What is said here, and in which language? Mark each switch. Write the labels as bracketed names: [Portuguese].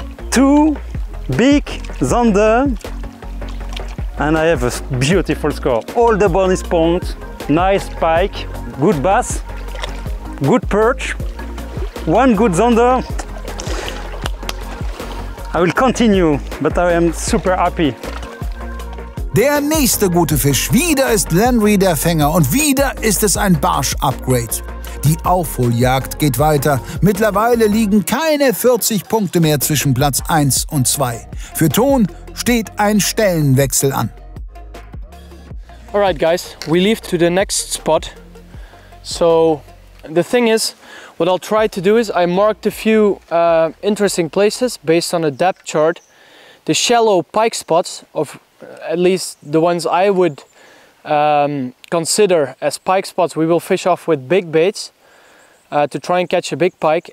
[English] 2 big zander, and I have a beautiful score. All the bonus points, nice pike, good bass, good perch, one good Zonda. I will continue, but I am super happy. [German] Der nächste gute Fisch. Wieder ist Landry der Fänger und wieder ist es ein Barsch-Upgrade. Die Aufholjagd geht weiter. Mittlerweile liegen keine 40 Punkte mehr zwischen Platz 1 und 2. Für Ton steht ein Stellenwechsel an. [English] Alright guys, we leave to the next spot. So the thing is, what I'll try to do is I marked a few interesting places based on a depth chart. The shallow pike spots of at least the ones I would consider as pike spots, we will fish off with big baits to try and catch a big pike.